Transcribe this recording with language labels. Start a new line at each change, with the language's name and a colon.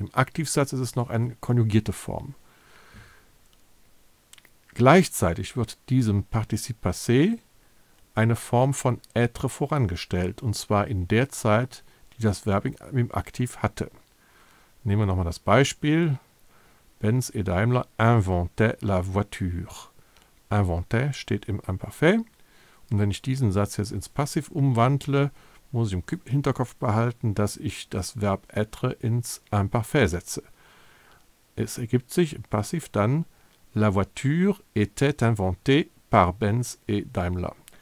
German: Im Aktivsatz ist es noch eine konjugierte Form. Gleichzeitig wird diesem Partizip Passé eine Form von être vorangestellt, und zwar in der Zeit, die das Verb im Aktiv hatte. Nehmen wir nochmal das Beispiel.
French: Benz et Daimler inventaient la voiture.
German: Inventaient steht im Imparfait. Und wenn ich diesen Satz jetzt ins Passiv umwandle, muss ich im Hinterkopf behalten, dass ich das Verb être ins Imparfait setze. Es ergibt sich im Passiv dann,
French: la voiture était inventée par Benz et Daimler.